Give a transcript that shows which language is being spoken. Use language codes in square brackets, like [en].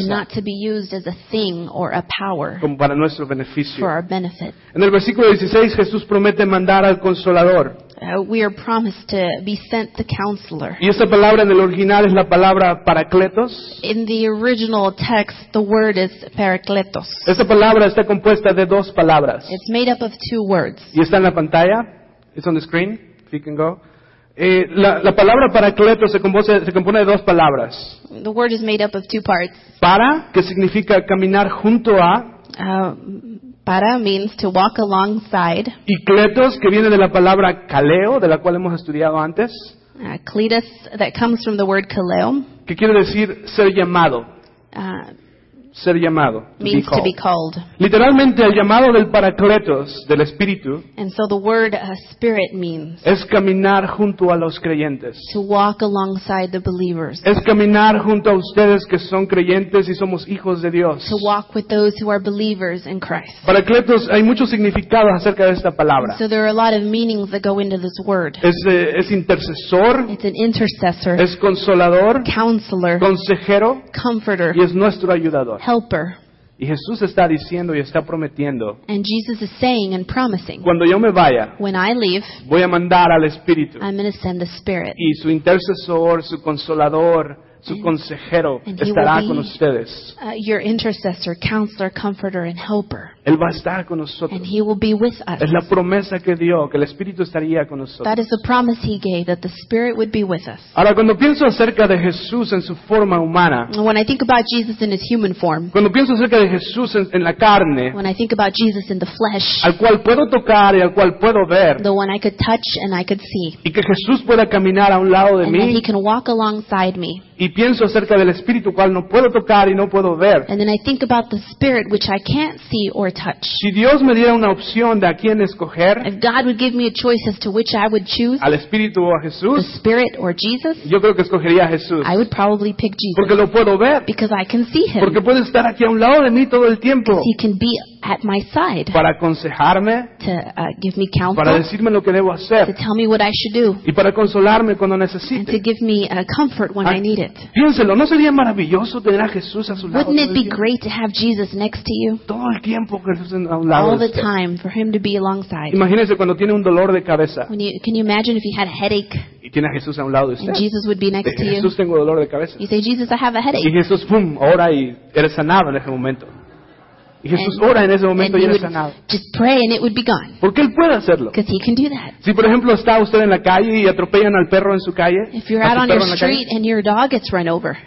[en] And not to be used as a thing or a power. [es] Como para nuestro beneficio. [en] For our benefit. [es] En el versículo 16 Jesús promete mandar al Consolador. [en] We are promised to be sent the Counselor. [es] Y esta palabra en el original es la palabra paracletos. [en] In the original text, the word is paracletos. [es] Esta palabra está compuesta de dos palabras. [en] It's made up of two words. [es] Y está en la pantalla. [en] It's on the screen, if you can go. [es] La palabra paracletos se compone de dos palabras. [en] The word is made up of two parts. [es] Para, que significa caminar junto a. [en] Para means to walk alongside. [es] Y kletos, que viene de la palabra kaleo, de la cual hemos estudiado antes. [en] Kletos, that comes from the word kaleo. [es] Que quiere decir ser llamado. Ser llamado. [en] Means to be called. [es] Literalmente, el llamado del paracletos, del Espíritu. [en] And so the word spirit means. [es] Es caminar junto a los creyentes. [en] To walk alongside the believers. [es] Es caminar junto a ustedes que son creyentes y somos hijos de Dios. [en] To walk with those who are believers in Christ. [es] Paracletos, hay muchos significados acerca de esta palabra. [en] So there are a lot of meanings that go into this word. [es] Es intercesor. [en] It's an intercessor. [es] Es consolador. [en] Counselor. [es] Consejero. [en] Comforter. [es] Y es nuestro ayudador. [en] Helper. [es] Y Jesús está diciendo y está prometiendo. [en] And Jesus is saying and promising. [es] Cuando yo me vaya, [en] when I leave, [es] voy a mandar al Espíritu. [en] I'm going to send the Spirit. [es] Y su intercesor, su consolador, su consejero estará con ustedes. [en] Your intercessor, counselor, comforter, and helper. [es] Él va a estar con nosotros. [en] And he will be with us. [es] Es la promesa que dio, que el Espíritu estaría con nosotros. [en] That is the promise he gave, that the Spirit would be with us. [es] Ahora, cuando pienso acerca de Jesús en su forma humana, [en] when I think about Jesus in his human form, [es] cuando pienso acerca de Jesús en la carne, [en] when I think about Jesus in the flesh, [es] al cual puedo tocar y al cual puedo ver, [en] the one I could touch and I could see, [es] y que Jesús pueda caminar a un lado de [en] and [es] mí, [en] and he can walk alongside me, [es] y pienso acerca del Espíritu cual no puedo tocar y no puedo ver, [en] and then I think about the Spirit which I can't see or touch. [es] Si Dios me diera una opción de a quién escoger, [en] if God would give me a choice as to which I would choose, [es] al Espíritu o a Jesús, [en] the Spirit or Jesus, [es] yo creo que escogería a Jesús. [en] I would probably pick Jesus. [es] Porque lo puedo ver. [en] Because I can see him. [es] Porque puede estar aquí a un lado de mí todo el tiempo. [en] He can be at my side. [es] Para aconsejarme. [en] To give me counsel. [es] Para decirme lo que debo hacer. [en] To tell me what I should do. [es] Y para consolarme cuando necesite. [en] And to give me comfort when I need it. [es] Piénselo, ¿no sería maravilloso tener a Jesús a su lado? [en] Wouldn't it be great to have Jesus next to you? [es] Todo el tiempo. [en] All the time for him to be alongside. [es] Imagínese cuando tiene un dolor de cabeza. [en] Can you imagine if he had a headache? [es] Y tiene a Jesús a un lado de usted. [en] And Jesus would be next to you. [es] Jesús, tengo dolor de cabeza. [en] You say, Jesus, I have a headache. [es] Y Jesús, pum, ora y eres sanado en ese momento. Y Jesús ora en ese momento y eres sanado. [en] Just pray and it would be gone. [es] Porque él puede hacerlo. [en] Because he can do that. [es] Si por ejemplo está usted en la calle y atropellan al perro en su calle. [en] If you're out on your street and your dog gets run over.